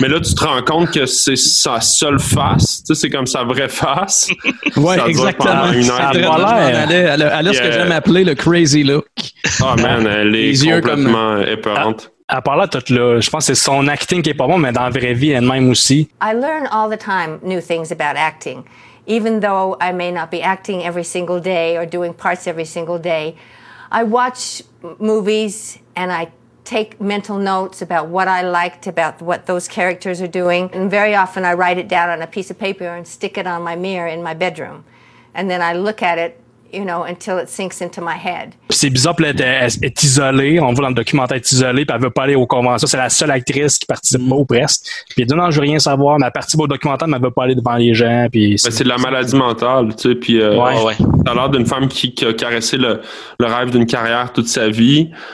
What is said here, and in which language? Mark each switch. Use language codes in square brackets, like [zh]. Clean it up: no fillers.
[fr] Mais là, tu te rends compte que c'est sa seule face, tu sais, c'est comme sa vraie face. Ouais, ça exactement. Une heure. Ça a l'air. Elle a ce que j'aime appeler le [en] crazy look. [fr] Oh man, elle est complètement épeurante. À part là, tout là, je pense que c'est son acting qui est pas bon, mais dans la vraie vie, elle-même aussi. [en] I learn all the time new things about acting. Even though I may not be acting every single day or doing parts every single day, I watch movies and I take mental notes about what I liked, about what those characters are doing. And very often I write it down on a piece of paper and stick it on my mirror in my bedroom. And then I look at it. You know, until it sinks into my head. [fr] Pis c'est bizarre, puis elle est isolée. On voit dans le documentaire, elle est isolée, puis elle veut pas aller aux conventions. C'est la seule actrice qui participe pas au Brest. Puis elle dit non, je veux rien savoir, mais elle participe au documentaire, mais elle veut pas aller devant les gens. Pis c'est de la maladie mentale, tu sais. Puis ça a l'air d'une femme qui a caressé le rêve d'une carrière toute sa vie.